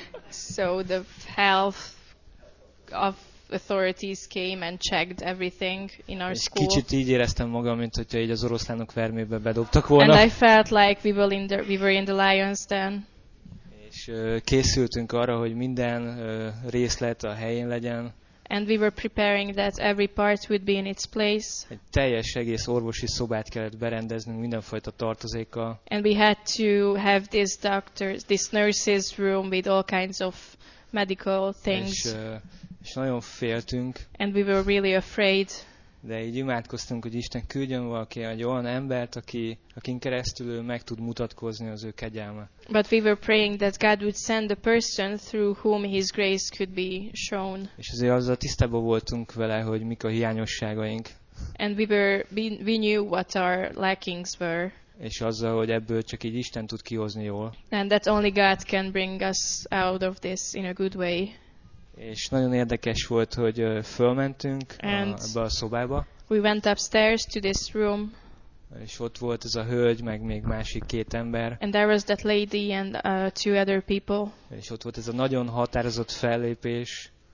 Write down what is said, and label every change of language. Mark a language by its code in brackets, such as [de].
[en] So the health of authorities came and checked everything in our school. [hu] Kicsit így éreztem magam, mint hogyha így az oroszlánok vermébe bedobtak volna. [en] And I felt like we were in the lion's den. [hu] És készültünk arra, hogy minden részlet a helyén legyen. [en] And we were preparing that every part would be in its place. [hu] Egy teljes egész orvosi szobát kellett berendeznünk mindenfajta tartozékkal. [en] And we had to have this nurse's room with all kinds of medical things. [hu] És nagyon féltünk. [en] And we were really afraid. [hu] De így imádkoztunk, hogy Isten küldjön valaki, egy olyan embert, akin keresztül ő meg tud mutatkozni az ő kegyelme. [en] But we were praying that God would send a person through whom his grace could be shown. [hu] És azért azzal tisztában voltunk vele, hogy mik a hiányosságaink. [en] And we knew what our lackings were. [hu] És azzal, hogy ebből csak így Isten tud kihozni jól. [en] And that only God can bring us out of this in a good way. [hu] És nagyon érdekes volt, hogy fölmentünk ebbe a szobába. [en] We went upstairs to this room. [hu] És ott volt ez a hölgy, meg még másik két ember. [en] And there was that lady and two other people. [hu] És ott volt ez a nagyon határozott fellépés.